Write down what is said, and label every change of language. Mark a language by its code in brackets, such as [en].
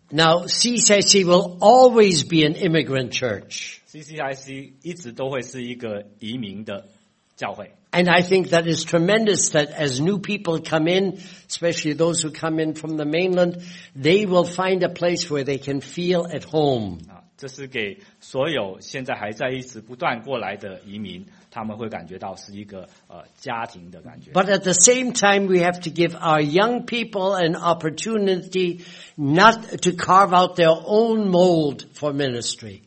[en] Now, CCIC will always be an immigrant church. [zh] CCIC 一直都会是一个移民的教会。 [en] And I think that is tremendous that as new people come in, especially those who come in from the mainland, they will find a place where they can feel at home. [zh] 这是给所有现在还在一直不断过来的移民，他们会感觉到是一个家庭的感觉。 [en] But at the same time, we have to give our young people an opportunity not to carve out their own mold for ministry.